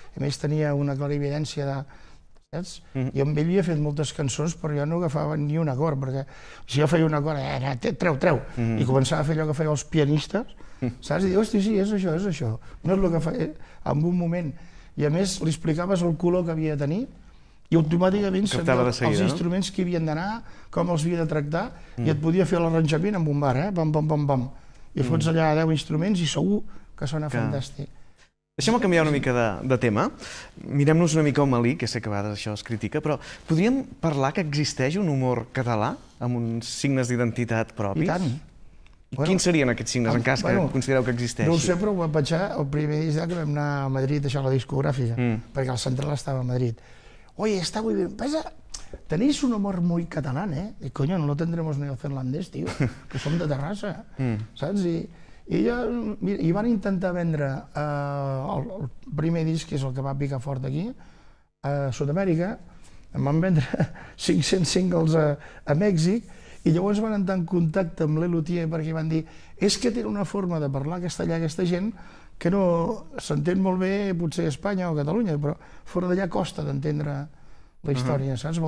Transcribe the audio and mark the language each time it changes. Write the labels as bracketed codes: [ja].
[ca] A més, tenia una clarividència de... I amb ell havia fet moltes cançons, però jo no agafava ni un acord, perquè si jo feia un acord, treu, i començava a fer allò que feien els pianistes, saps? I dius, hosti, sí, és això, no és el que feia en un moment. I a més, li explicaves el color que havia de tenir, i automàticament sentia els instruments que havien d'anar, com els havia de tractar, i et podia fer l'arranjament amb un bar, bam, i fots allà 10 instruments i segur que sona fantàstic. Deixem-me canviar una mica de tema. Mirem-nos una mica el Malí, que sé que a vegades això es critica, però podríem parlar que existeix un humor català amb uns signes d'identitat propis? I tant. Quins serien aquests signes, en cas que considereu que existeixi? No ho sé, però ho vam pensar el primer dia que vam anar a Madrid, això, a la discogràfica, perquè el central estava a Madrid. [es] Oi, [ca] està [es] muy bien, pasa. Tenéis un humor muy catalán, eh? I, coño, no lo tendremos ni el finlandés, tío, [ca] que som de Terrassa, saps? I jo, mira, i van intentar vendre el primer disc, que és el que va picar fort aquí, a Sud-amèrica, en van vendre 500 singles a Mèxic, i llavors van entrar en contacte amb l'Elutier perquè van dir, és que té una forma de parlar castellà aquesta gent que no s'entén molt bé potser a Espanya o a Catalunya, però fora d'allà costa d'entendre la història, saps?